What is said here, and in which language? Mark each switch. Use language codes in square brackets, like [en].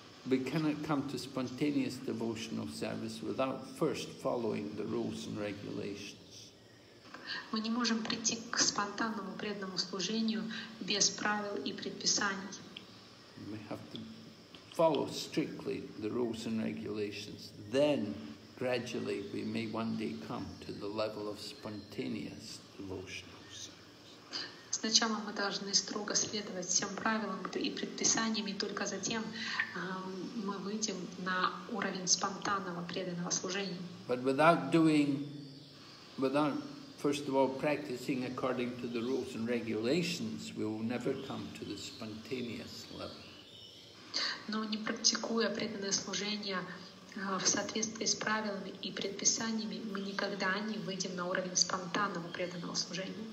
[en] We cannot come to spontaneous devotional service without first following the rules and regulations. [ru] Мы не можем прийти к спонтанному преданному служению без правил и предписаний. [en] We have to follow strictly the rules and regulations. Then, gradually, we may one day come to the level of spontaneous devotion. [ru] Сначала мы должны строго следовать всем правилам и предписаниям, и только затем мы выйдем на уровень спонтанного преданного служения. [en] But without first of all practicing according to the rules and regulations, we will never come to the spontaneous level. [ru] Но не практикуя преданное служение в соответствии с правилами и предписаниями, мы никогда не выйдем на уровень спонтанного преданного служения.